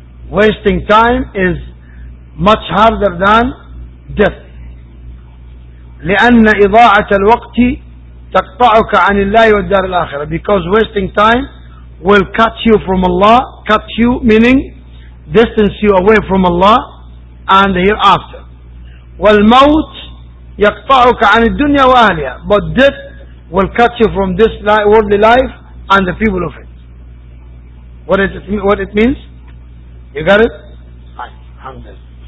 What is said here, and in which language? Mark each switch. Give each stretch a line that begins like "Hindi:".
English: Wasting time is much harder than death.
Arabic: لِأَنَّ إِضَاعَةَ الْوَقْتِ تَقْطَعُكَ عَنِ اللَّهِ وَالدَّارِ الْآخِرَةِ.
English: Because wasting time will cut you from Allah, cut you meaning distance you away from Allah and the hereafter.
Arabic: والموت يقطعك عن الدنيا وأهلها.
English: But death will cut you from this worldly life and the people of it. What it means? You got it? Alhamdulillah.